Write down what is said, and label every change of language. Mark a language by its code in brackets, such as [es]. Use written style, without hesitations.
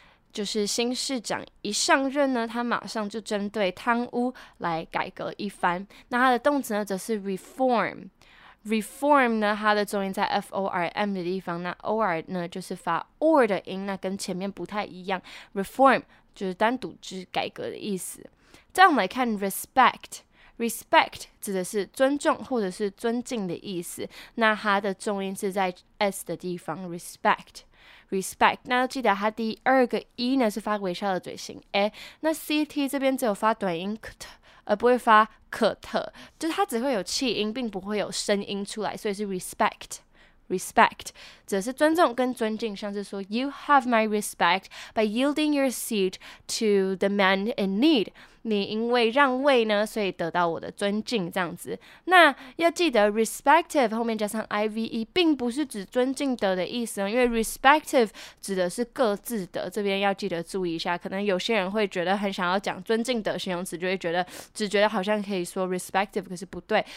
[zh] 就是新市长一上任呢 他马上就针对贪污来改革一番 那他的动词呢则是reform reform呢 它的重音在form的地方 那or呢 就是发or的音 那跟前面不太一样 reform就是单独指改革的意思 再我们来看respect respect指的是尊重或者是尊敬的意思 那它的重音是在s的地方 respect Respect， 那要记得它第二个e呢是发微笑的嘴型 a， 那 ct 这边只有发短音 kt， 而不会发 kt， 就是它只会有气音，并不会有声音出来，所以是 respect。 [en] Respect [zh] 则是尊重跟尊敬，像是说 [en] You have my respect by yielding your seat to the man in need. [zh] 你因为让位呢，所以得到我的尊敬这样子。那要记得 respective 后面加上 ive， 并不是指尊敬的意思，因为 respective 指的是各自的。这边要记得注意一下，可能有些人会觉得很想要讲尊敬的形容词，就会觉得只觉得好像可以说 respective， 可是不对。